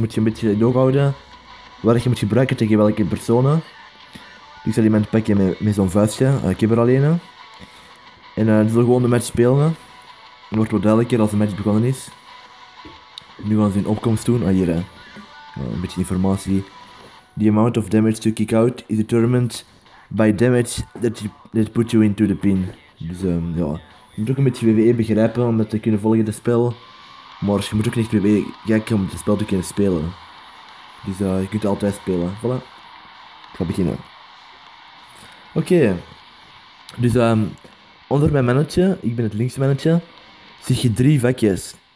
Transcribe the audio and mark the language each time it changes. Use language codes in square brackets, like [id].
[nl] Dus moet je een beetje in oog houden waar je moet gebruiken tegen welke personen. Dus ik zal iemand pakken met zo'n vuistje, ik heb er alleen. En dan zullen we gewoon de match spelen. Het wordt wel duidelijker als de match begonnen is. Nu gaan ze een opkomst doen. Ah, hier, een beetje informatie. [en] The amount of damage to kick out is determined by damage that put you into the pin. [nl] Dus ja, je moet ook een beetje WWE begrijpen om dat te kunnen volgen, het spel. Maar je moet ook niet WWE kijken om het spel te kunnen spelen. Dus je kunt altijd spelen. Voilà. Ik ga beginnen. Oké. Dus onder mijn mannetje, ik ben het linkse mannetje, zie je drie vakjes.